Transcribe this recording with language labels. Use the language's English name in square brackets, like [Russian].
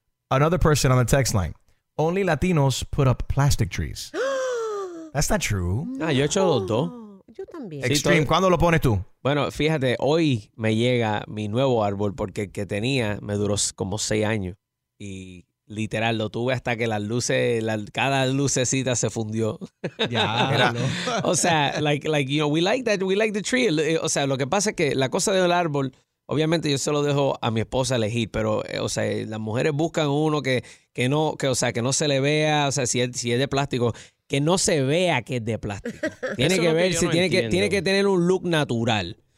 [English] Another person on the text line, only Latinos put up plastic trees. That's not true. [Spanish] No. Yo he hecho los dos. Yo también. Extreme, sí, ¿cuándo lo pones tú? Bueno, fíjate, hoy me llega mi nuevo árbol porque el que tenía me duró como 6 años. Y literal, lo tuve hasta que cada lucecita se fundió. Ya, o sea, [English] like you know, we like the tree. [Spanish] O sea, lo que pasa es que la cosa del árbol, obviamente yo se lo dejo a mi esposa elegir, pero, o sea, las mujeres buscan uno que no se le vea, o sea, si es de plástico, que no se vea que es de plástico. Tiene que ver tiene que tener un look natural.